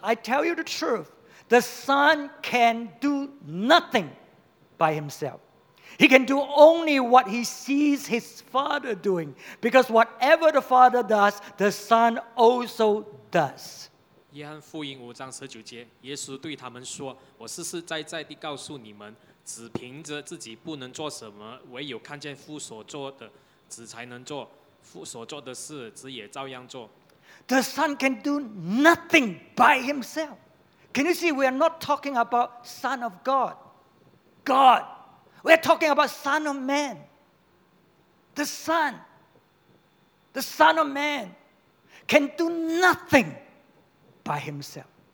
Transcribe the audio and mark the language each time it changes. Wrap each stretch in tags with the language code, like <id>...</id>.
<en>I tell you the truth. The Son can do nothing by himself. He can do only what he sees his Father doing. Because whatever the Father does, the Son also does.</en> <zh>约翰福音五章十九节，耶稣对他们说，我实实在在地告诉你们，只凭着自己不能做什么，唯有看见父所做的，子才能做，父所做的事，子也照样做。</zh> <en>The Son can do nothing by himself. Can you see, we are not talking about Son of God. God. We are talking about Son of Man. The Son. The Son of Man can do nothing by himself.</en>